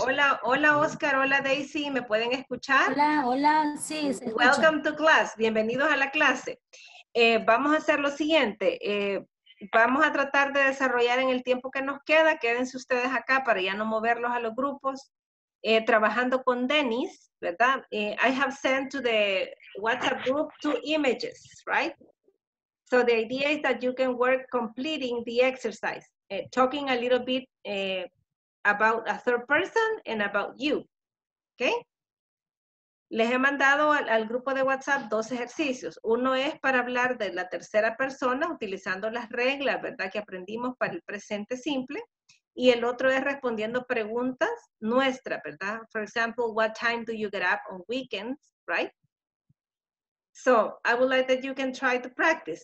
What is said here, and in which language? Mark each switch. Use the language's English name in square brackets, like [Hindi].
[Spanish] Hola, hola Oscar, hola Daisy, ¿me pueden escuchar? Hola, hola, sí, se escucha. [English] Welcome to class, [Spanish] bienvenidos a la clase. Vamos a hacer lo siguiente. Vamos a tratar de desarrollar en el tiempo que nos queda, quédense ustedes acá para ya no moverlos a los grupos, trabajando con Dennis, ¿verdad? [English] I have sent to the WhatsApp group two images, right? So the idea is that you can work completing the exercise, talking a little bit about a third person and about you, okay? [Spanish] Les he mandado al grupo de WhatsApp dos ejercicios. Uno es para hablar de la tercera persona utilizando las reglas, ¿verdad?, que aprendimos para el presente simple. Y el otro es respondiendo preguntas nuestras, ¿verdad? [English] For example, what time do you get up on weekends, right? So, I would like that you can try to practice.